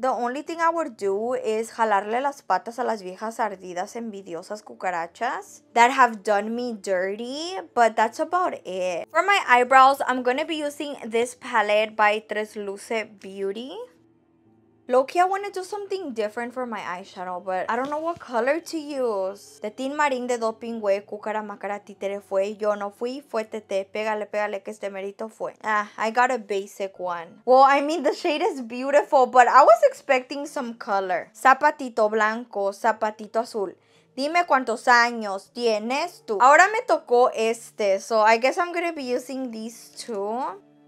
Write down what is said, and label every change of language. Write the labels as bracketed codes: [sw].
[en] The only thing I would do is [es] jalarle las patas a las viejas ardidas envidiosas cucarachas [en] that have done me dirty, but that's about it. For my eyebrows, I'm gonna be using this palette by Tres Luce Beauty. Low-key, I want to do something different for my eyeshadow, but I don't know what color to use. [es] De tin marín de dopingüe, cúcara macara títere fue, yo no fui, fue tete, pégale, pégale, que este merito fue. [en] Ah, I got a basic one. Well, I mean, the shade is beautiful, but I was expecting some color. [es] Zapatito blanco, zapatito azul. Dime cuántos años tienes tú. Ahora me tocó este, [en] so I guess I'm going to be using these two.